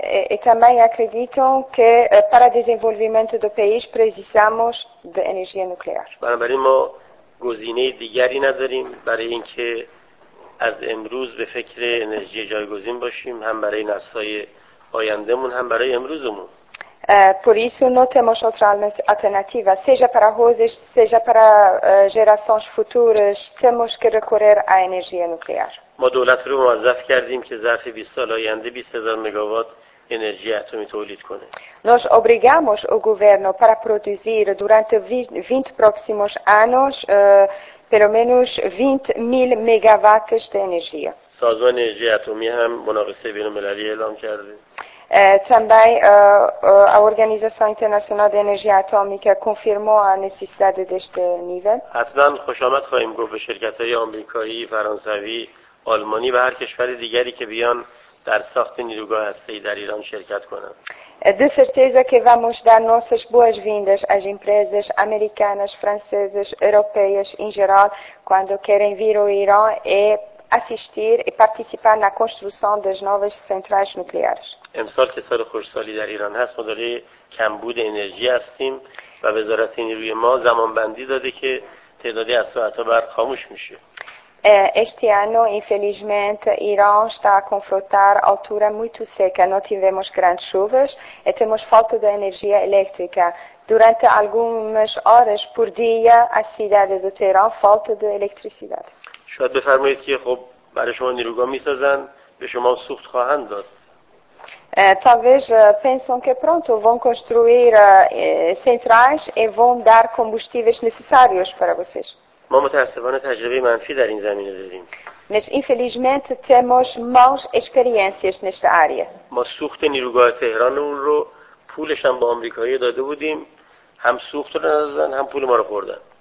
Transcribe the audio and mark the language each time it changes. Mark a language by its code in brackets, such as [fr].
[pt] E também acreditam que para desenvolvimento do país precisamos de energia nuclear. [fa] بنابراین ما گزینه دیگری نداریم برای اینکه از امروز به فکر انرژی جایگزین باشیم، هم برای نسل‌های آیندهمون هم برای امروزمون. [pt] Por isso não temos outra alternativa, seja para hoje, seja para gerações futuras, temos que recorrer à energia nuclear. [fa] ما دولت رو موظف کردیم که ظرف 20 سال آینده 20,000 مگاوات انرژی اتمی تولید کنه. [pt] Nós obrigamos o governo para produzir durante 20 próximos anos pelo menos 20,000 megawatts de energia. [fa] سازمان انرژی اتمی هم مناقصه بین‌المللی اعلام کرده. [pt] Também a Organização Internacional de Energia Atômica confirmou a necessidade deste nível. [fa] حتماً خوش آمد خواهیم گفت به شرکت‌های آمریکایی، فرانسوی، آلمانی و هر کشور دیگری که بیان در ساخت نیروگاه هسته‌ای در ایران شرکت کنند. [pt] De certeza que vamos dar nossas boas-vindas às empresas americanas, francesas, europeias em geral quando querem vir ao Irã e assistir e participar na construção das novas centrais nucleares. [fa] امسال که سال خردسالی در ایران هست ما داره کمبود انرژی هستیم و وزارت نیروی ما زمان بندی داده که تعدادی از ساعت‌ها برق خاموش میشه. [pt] Este ano, infelizmente, Irã está a confrontar altura muito seca. Não tivemos grandes chuvas e temos falta de energia elétrica. Durante algumas horas por dia, a cidade do Teherã falta de eletricidade. [fa] شاید بفرمایید که خب برای شما نیروگاه می‌سازن، به شما سوخت خواهند داد. [pt] Talvez pensam que pronto, vão construir centrais e vão dar combustíveis necessários para vocês. [fa] ما متأسفانه تجربه منفی در این زمینه داریم. [pt] Mas infelizmente temos más experiências nesta área. [fa] ما سوخت نیروگاه تهران اون رو پولش هم با آمریکایی داده بودیم، هم سوخت رو ندادن هم پول ما رو خوردن.